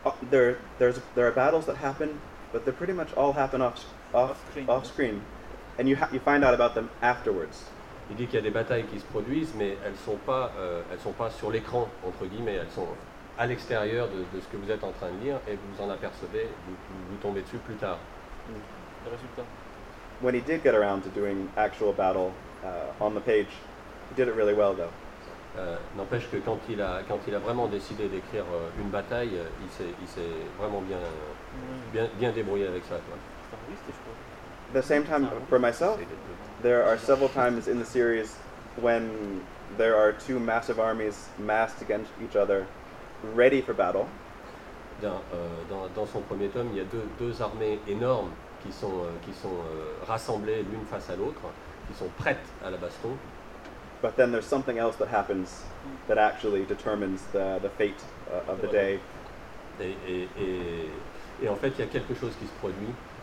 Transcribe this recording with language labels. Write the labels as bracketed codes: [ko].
[en] There are battles that happen, but they pretty much all happen off screen, and you find out about them afterwards. [fr] Il dit qu'il y a des batailles qui se produisent, mais elles sont pas sur l'écran entre guillemets. Elles sont à l'extérieur de ce que vous êtes en train de lire et vous en apercevez, vous tombez dessus plus tard. Le résultat. [en] When he did get around to doing actual battle on the page, he did it really well though. [fr] N'empêche que quand il a vraiment décidé d'écrire une bataille, il s'est vraiment bien débrouillé avec ça. Quoi. [en] The same time for myself, there are several times in the series when there are two massive armies massed against each other, ready for battle. [fr] Dans son premier tome, il y a deux armées énormes qui sont rassemblées l'une face à l'autre, qui sont prêtes à la baston. [en] But then there's something else that happens that actually determines the fate of the day. [fr] Et en fait, il y a quelque chose qui se produit.